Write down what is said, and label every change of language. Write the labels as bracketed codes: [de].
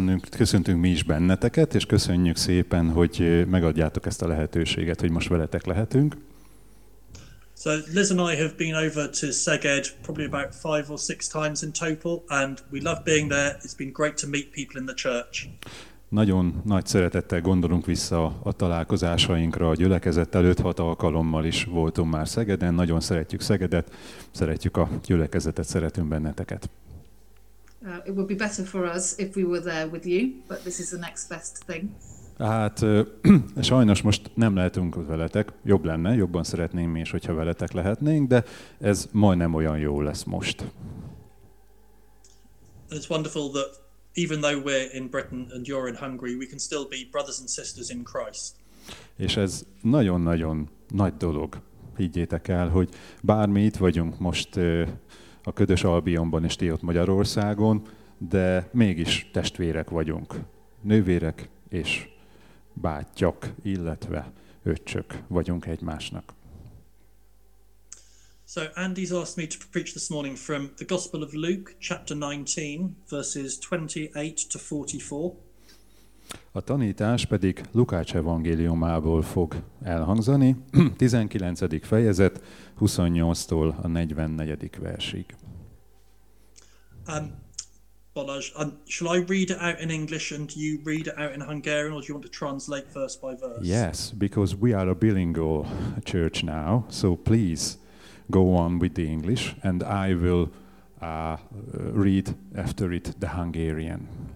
[hu] Köszöntünk mi is benneteket, és köszönjük szépen, hogy megadjátok ezt a lehetőséget, hogy most veletek lehetünk. [en] So Liz and I have been over to Szeged probably about 5 or 6 times in total, and we love being there. It's been great to meet people in the church. [hu] Nagyon nagy szeretettel gondolunk vissza a találkozásainkra a gyülekezettel. 5-6 alkalommal is voltunk már Szegeden. Nagyon szeretjük Szegedet, szeretjük a gyülekezetet, szeretünk benneteket. [en] It would be better for us if we were there with you, but this is the next best thing. [hu] Hát sajnos most nem lehetünk veletek, jobb lenne, jobban szeretném is, hogyha veletek lehetnénk, de ez majdnem olyan jó lesz most. [en] It's wonderful that even though we're in Britain and you're in Hungary, we can still be brothers and sisters in Christ. [hu] És ez nagyon-nagyon nagy dolog, higgyétek el, hogy bármi itt vagyunk most a ködös Albionban és ti ott Magyarországon, de mégis testvérek vagyunk, nővérek és bátyok, illetve öcsök vagyunk egymásnak. [en] So Andy's asked me to preach this morning from the Gospel of Luke, chapter 19, verses 28-44. [hu] A tanítás pedig Lukács evangéliumából fog elhangzani, 19. fejezet, 28-tól a 44. versig. [en] Balázs, shall I read it out in English and you read it out in Hungarian, or do you want to translate verse by verse? Yes, because we are a bilingual church now, so please go on with the English and I will read after it the Hungarian.